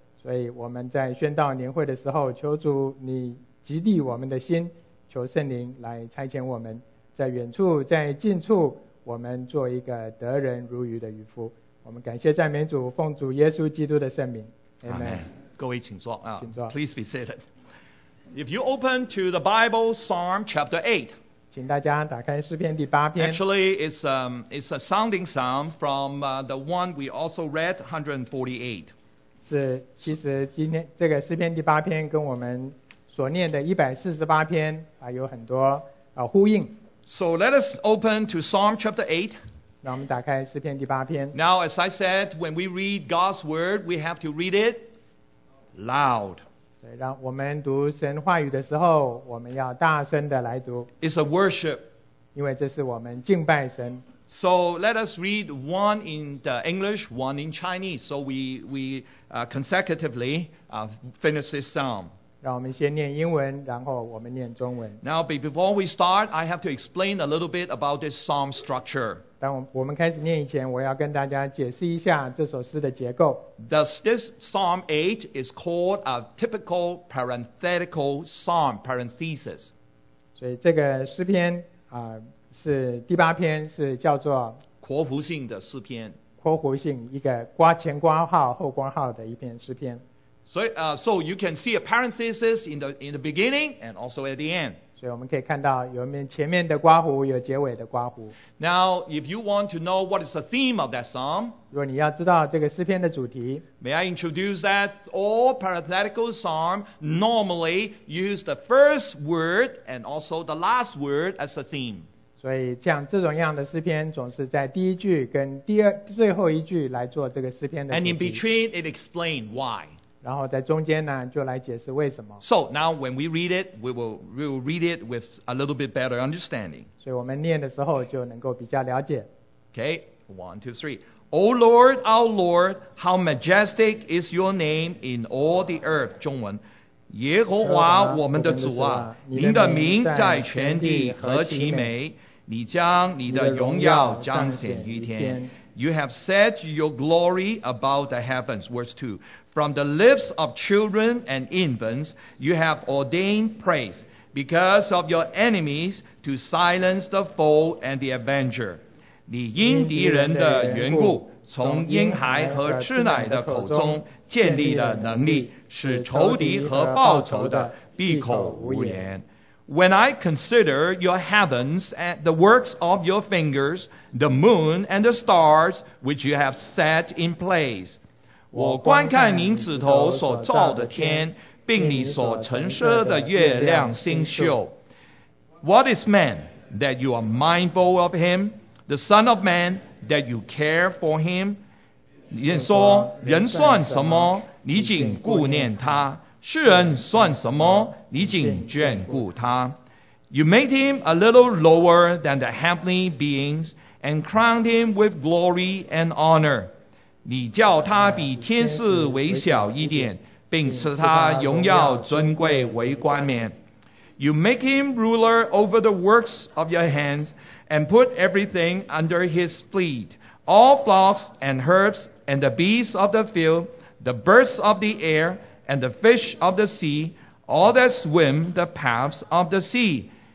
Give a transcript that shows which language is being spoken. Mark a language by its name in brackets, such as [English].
[Chinese] 所以我们在宣道年会的时候，求主你激励我们的心，求圣灵来差遣我们，在远处在近处，我们做一个得人如鱼的渔夫。我们感谢赞美主，奉主耶稣基督的圣名， Amen. 各位请坐、请坐。 [English] Please be seated. If you open to the Bible, Psalm chapter 8. [Chinese] 请大家打开诗篇第八篇。 [English] Actually, it's a sounding psalm from the one we also read, 148. [Chinese] 是，其实今天这个诗篇第八篇跟我们所念的148篇、有很多、呼应。 [English] So let us open to Psalm chapter 8. [Chinese] 让我们打开诗篇第八篇。 [English] Now, as I said, when we read God's word, we have to read it loud. [Chinese] 让我们读神话语的时候，我们要大声的来读。 [English] It's a worship. [Chinese] 因为这是我们敬拜神。 [English] So let us read one in the English, one in Chinese. So we consecutively finish this psalm. [Chinese] 让我们先念英文，然后我们念中文。 [English] Now before we start, I have to explain a little bit about this psalm structure. [Chinese] 当我们开始念以前，我要跟大家解释一下这首诗的结构。 [English] Thus, this Psalm 8 is called a typical parenthetical psalm, parenthesis. [Chinese] 所以这个诗篇、是第八篇，是叫做括弧性的诗篇。括弧性，一个括前括号后括号的一篇诗篇。 [English] So you can see a parenthesis in the beginning and also at the end. [Chinese] 所以我们可以看到有面前面的括弧，有结尾的括弧。 [English] Now, if you want to know what is the theme of that psalm, [Chinese] 如果你要知道这个诗篇的主题， [English] May I introduce that all parenthetical psalm normally use the first word and also the last word as a theme. [Chinese] 所以像这种样的诗篇总是在第一句跟最后一句来做这个诗篇的主题。 [English] And in between, it explains why. [Chinese] 然后在中间呢，就来解释为什么。 [English] So now when we read it, we will read it with a little bit better understanding. [Chinese] 所以我们念的时候就能够比较了解。 [English] Okay, 1, 2, 3. O Lord, our Lord, how majestic is your name in all the earth. [Chinese] 中文，耶和华我们的主啊，您的名在全地何其美！你将你的荣耀彰显于天。 [English] You have set your glory above the heavens. Verse 2. From the lips of children and infants, you have ordained praise because of your enemies to silence the foe and the avenger. [Chinese] 你因敌人的缘故，从婴孩和吃奶的口中建立的能力，使仇敌和报仇的闭口无言。 [English] When I consider your heavens and the works of your fingers, the moon and the stars which you have set in place, [Chinese] 我观看您指头所造的天，并你所陈设的月亮星宿。 [English] What is man that you are mindful of him? The son of man that you care for him? [Chinese] 人说人算什么你紧顾念他 世人算什么你紧眷顾他 [English] You made him a little lower than the heavenly beings and crowned him with glory and honor. [Chinese] 你叫他比天使微小一点,并赐他荣耀尊贵为冠冕。 [English] You make him ruler over the works of your hands and put everything under his feet, all flocks and herds and the beasts of the field, the birds of the air and the fish of the sea, all that swim the paths of the sea.